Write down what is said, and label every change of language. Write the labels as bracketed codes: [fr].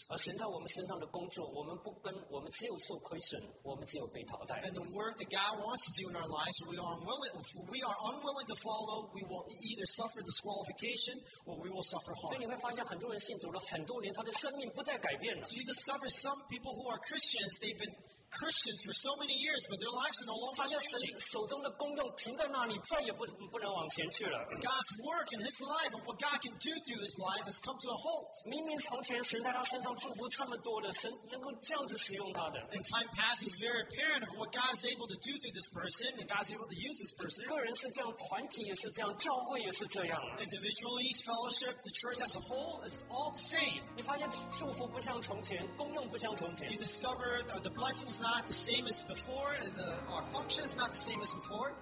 [en] And the work that God wants to do in our lives, if we are unwilling to follow, we will either suffer disqualification or we will suffer harm. So you discover some people who are Christians, they've been Christians for so many years, but their lives are no longer changing. [zh] 手中的功用停在那里，再也不能往前去了。 [en] God's work in his life and what God can do through his life has come to a halt. [zh] 明明从前神在他身上祝福这么多的，神能够这样子使用他的。 [en] And time passes very apparent of what God is able to do through this person and God's able to use this person. [zh] 个人是这样，团体也是这样，教会也是这样。 [en] Individually, fellowship, the church as a whole is all the same. [zh] 你发现祝福不像从前，功用不像从前。 [en] You discover the blessings. It's not the same as before, and our function is not the same as before.